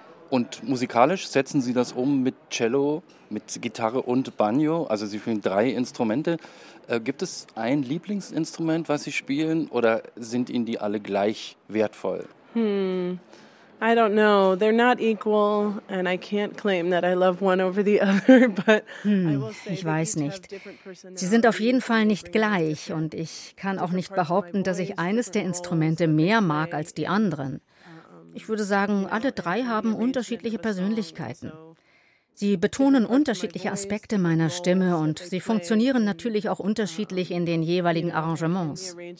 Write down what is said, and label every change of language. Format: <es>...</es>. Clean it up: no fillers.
<de>Und musikalisch setzen Sie das um mit Cello, mit Gitarre und Banjo? Also Sie spielen drei Instrumente. Gibt es ein Lieblingsinstrument, was Sie spielen, oder sind Ihnen die alle gleich wertvoll?</de> <en>I don't know. They're not equal and I can't claim that I love one over the other, but</en> <de>ich weiß nicht. Sie sind auf jeden Fall nicht gleich und ich kann auch nicht behaupten, dass ich eines der Instrumente mehr mag als die anderen. Ich würde sagen, alle drei haben unterschiedliche Persönlichkeiten. Sie betonen unterschiedliche Aspekte meiner Stimme und sie funktionieren natürlich auch unterschiedlich in den jeweiligen Arrangements.</de>